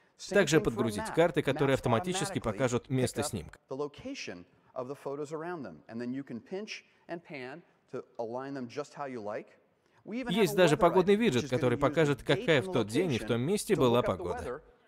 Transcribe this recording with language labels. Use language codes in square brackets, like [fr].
[ru] Также подгрузить карты, которые автоматически покажут место снимка. [en] The location of the photos around them, and then you can pinch and pan to align them just how you like. [ru] Есть даже погодный виджет, который покажет, какая в тот день и в том месте была погода.